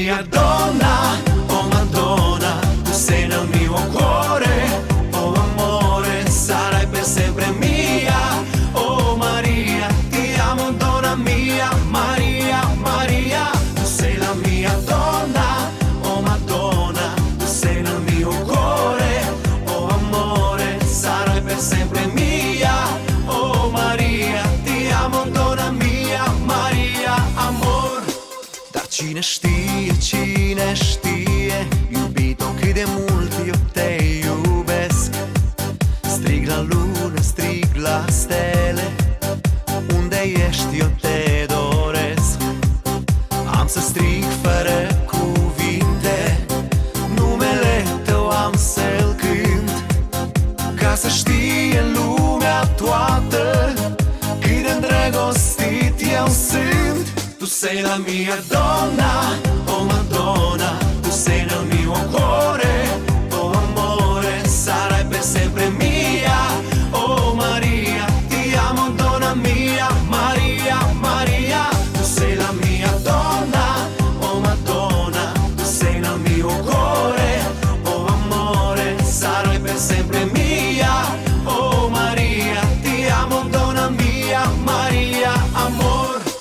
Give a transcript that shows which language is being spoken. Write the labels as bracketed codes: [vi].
[it] donna, oh Madonna, tu sei nel mio cuore, oh amore, sarai per sempre mia, oh Maria, ti amo donna mia, Maria, Maria, tu sei la mia donna, oh Madonna, tu sei nel mio cuore, oh amore, sarai per sempre mia, oh Maria, ti amo donna mia, Maria, amor. [ro] Da cine sti? Cine știe, iubito, cât de mult eu te iubesc. Strig la lună, strig la stele, unde ești, eu te doresc. Am să strig fără cuvinte, numele tău am să-l cânt, ca să știe lumea toată cât de îndrăgostit eu sunt. [it] Tu sei la mia donna, oh Madonna, tu sei nel mio cuore, oh amore, sarai per sempre mia, oh Maria, ti amo donna mia, Maria, Maria, tu sei la mia donna, oh Madonna, tu sei nel mio cuore, oh amore, sarai per sempre mia, oh Maria, ti amo donna mia, Maria, amor.